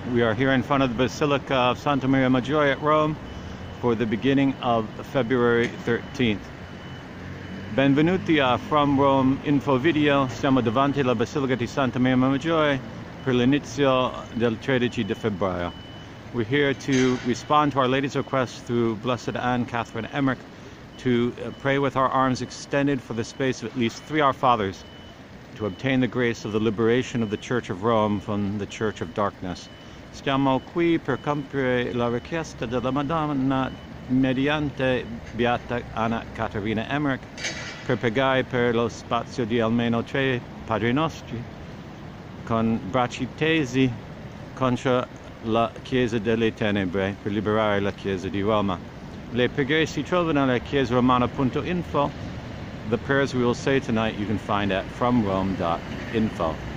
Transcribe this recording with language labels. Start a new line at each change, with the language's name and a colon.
English: We are here in front of the Basilica of Santa Maria Maggiore at Rome for the beginning of February 13th.
Italian: Benvenuti a From Rome Info Video. Siamo davanti alla Basilica di Santa Maria Maggiore per l'inizio del 13 di febbraio.
English: We're here to respond to Our Lady's request through Blessed Anne Catherine Emmerich to pray with our arms extended for the space of at least three Our Fathers to obtain the grace of the liberation of the Church of Rome from the Church of Darkness.
Italian: Stiamo qui per compiere la richiesta della Madonna mediante Beata Anna Caterina Emmerich per pregare per lo spazio di almeno tre Padri Nostri con bracci tesi contro la Chiesa delle Tenebre per liberare la Chiesa di Roma. Le preghiere si trovano alla chiesaromana.info.
English: The prayers we will say tonight you can find at fromrome.info.